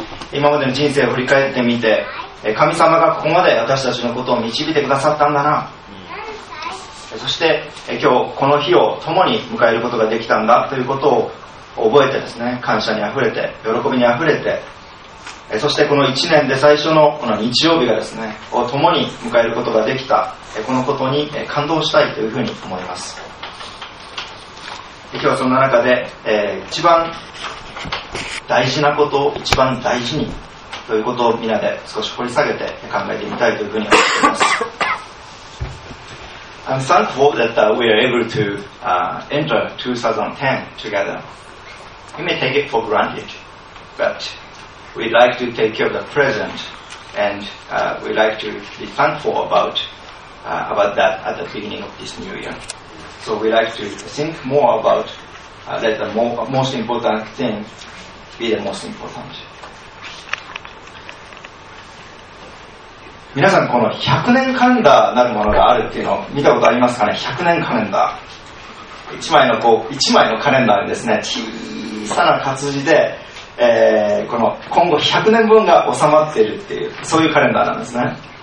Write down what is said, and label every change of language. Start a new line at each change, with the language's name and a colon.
Japanese: 今までの人生を振り返ってみて、神様がここまで私たちのことを導いてくださったんだな、そして今日この日を共に迎えることができたんだということを覚えてですね、感謝にあふれて、喜びにあふれて、そしてこの1年で最初のこの日曜日がですね、を共に迎えることができた、このことに感動したいというふうに思います。今日はそんな中で、一番大事なことを一番大事にということをみんなで少し掘り下げて考えてみたいというふうに思っています。
English: I'm thankful that we are able to enter 2010 together. We may take it for granted, but we'd like to take care of the present, and we'd like to be thankful about that at the beginning of this new year. So we'd like to think more about let the most important thing be the most important.
Japanese: 皆さん、この100年カレンダーなるものがあるっていうのを見たことありますかね。 100年カレンダー、1枚のカレンダーにですね、小さな活字で、この今後100年分が収まっているっていう、そういうカレンダーなんですね。